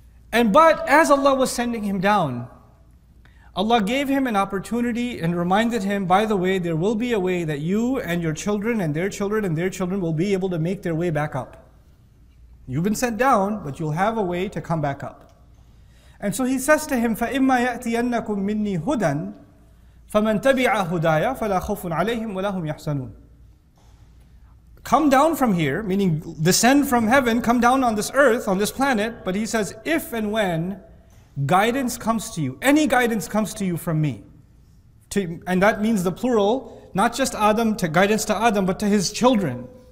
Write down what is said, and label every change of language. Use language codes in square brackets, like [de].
[en] But as Allah was sending him down, Allah gave him an opportunity and reminded him, by the way, there will be a way that you and your children and their children and their children will be able to make their way back up. You've been sent down, but you'll have a way to come back up. And so he says to him, [ar] فَإِمَّا يَأْتِيَنَّكُم مِّنِّي هُدًى فَمَنْ تَبِعَ هُدَايَ فَلَا خَوْفٌ عَلَيْهِمْ وَلَا هُمْ يَحْسَنُونَ. [en] Come down from here, meaning descend from heaven, come down on this earth, on this planet. But he says, if and when guidance comes to you, any guidance comes to you from me. And that means the plural, not just Adam, to guidance to Adam, but to his children.